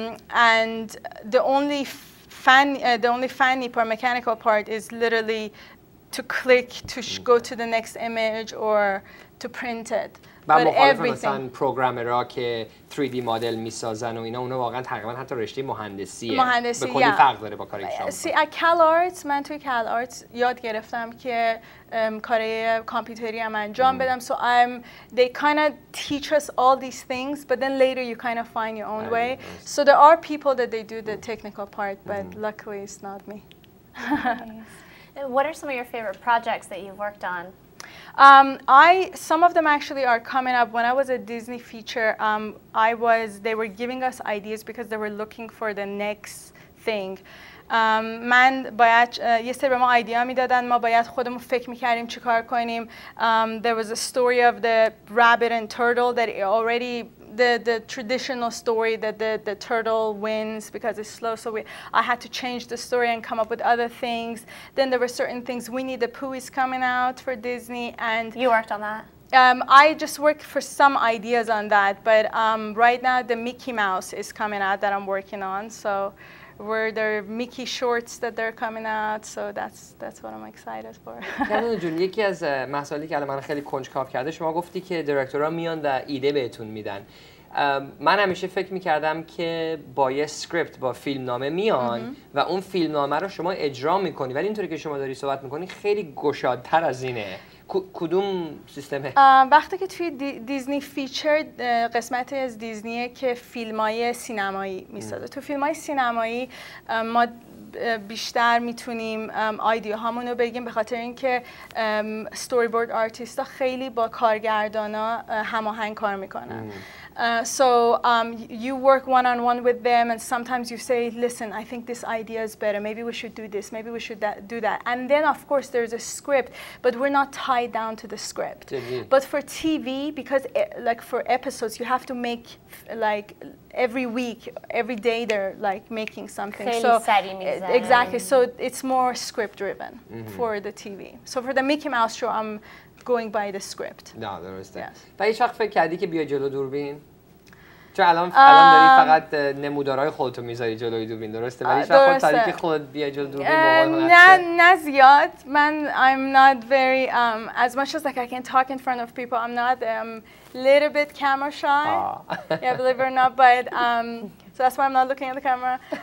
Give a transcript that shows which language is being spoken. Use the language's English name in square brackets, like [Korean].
[English] And the only funny part, mechanical part, is literally to click, to go to the next image, or to print it. But everything. [Persian] مثلا پروگرامرا که 3D مدل میسازن و اینا اونا واقعا تقریبا حتی رشته مهندسیه. مهندسی. به کلی فرق داره با کاری که شما. [English] See, at Cal Arts, [Persian] من توی Cal Arts یاد گرفتم که کاری کامپیوتری هم انجام بدم. [English] So they kind of teach us all these things, but then later you kind of find your own way. So there are people that they do the technical part, but luckily it's not me. What are some of your favorite projects that you've worked on? Some of them actually are coming up. When I was at Disney feature, they were giving us ideas because they were looking for the next thing. [Persian] من باید یه سری به ما ایده ها میدادن ما باید خودمون فکر میکردیم چیکار کنیم [English] there was a story of the rabbit and turtle that already the traditional story that the turtle wins because it's slow so I had to change the story and come up with other things then there were certain things Winnie the Pooh is coming out for Disney and you worked on that I just work for some ideas on that but right now the Mickey Mouse is coming out that I'm working on so where there are Mickey shorts that they're coming out, so that's what I'm excited for. [Persian] کنون جون یکی از مسائلی که الان من خیلی کنجکاو کرده شما گفتی که دایرکتورها میان و ایده بهتون میدن. من همیشه فکر میکردم که با یه سکریپت با فیلمنامه میان و اون فیلمنامه رو شما اجرا میکنی، ولی اینطوری که شما داری صحبت میکنی خیلی گشادتر از اینه. کدوم سیستمه؟ وقتی که توی دیزنی فیچر قسمت از دیزنیه که فیلمای سینمایی میسازه، تو فیلمای سینمایی ما بیشتر میتونیم ایده هامونو بگیم، به خاطر اینکه استوری بورد آرتیستا خیلی با کارگردانا هماهنگ کار میکنن. [English] So you work one-on-one with them, and sometimes you say, listen, I think this idea is better. Maybe we should do this. Maybe we should do that. And then, of course, there's a script, but we're not tied down to the script. Mm-hmm. But for TV, because like for episodes, you have to make like every week, every day they're like making something. [Persian] خیلی سری میزن. [English] Exactly. So it's more script driven for the TV. So for the Mickey Mouse show, I'm going by the script. [Persian] نه درسته. و هیچ وقت فکر کردی که بیا جلو دوربین؟ چون الان داری فقط نمودارهای خودتو میذاری جلوی دوربین، درسته؟ ولی شاید خودت داری که خودت بیا جلو دوربین نه زیاد. من [English] I'm not very as much as like I can talk in front of people. I'm not little bit camera shy. Yeah, believe it or not, but so that's why I'm not looking at the camera.